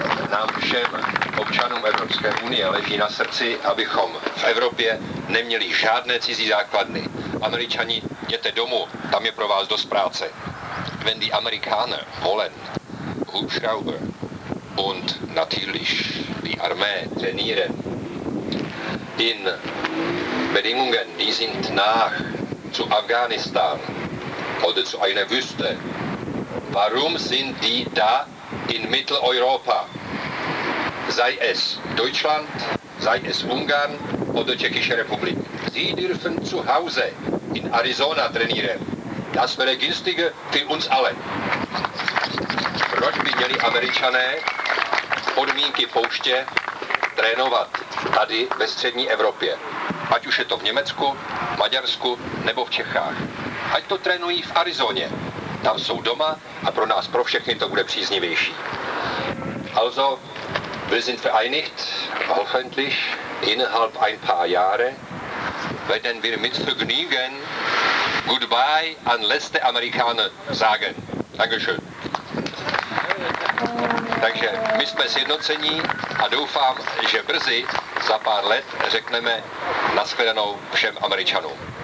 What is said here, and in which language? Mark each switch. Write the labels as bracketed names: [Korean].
[Czech] Nám všem, občanům Evropské unie, leží na srdci, abychom v Evropě neměli žádné cizí základny. Američani, jděte domů, tam je pro vás dost práce. [German] Wenn die Amerikaner wollen, Hubschrauber und natürlich die Armee trainieren, in Bedingungen, die sind nach zu Afghanistan oder zu einer Wüste. Warum sind die da in Mitteleuropa? Sei es Deutschland, sei es Ungarn oder Tschechische Republik. Sie dürfen zu Hause in Arizona trainieren. Das wäre günstiger für uns alle. [Czech] Proč by měli Američané podmínky pouště trénovat tady ve střední Evropě? Ať už je to v Německu, Maďarsku nebo v Čechách. Ať to trénují v Arizoně. Tam jsou doma a pro nás, pro všechny, to bude příznivější. [German] Also, wir sind vereinigt, hoffentlich, innerhalb ein paar Jahre, werden wir mit Vergnügen goodbye an letzte Amerikaner sagen. Dankeschön. [Czech] Takže my jsme sjednocení a doufám, že brzy za pár let řekneme naschledanou všem Američanům.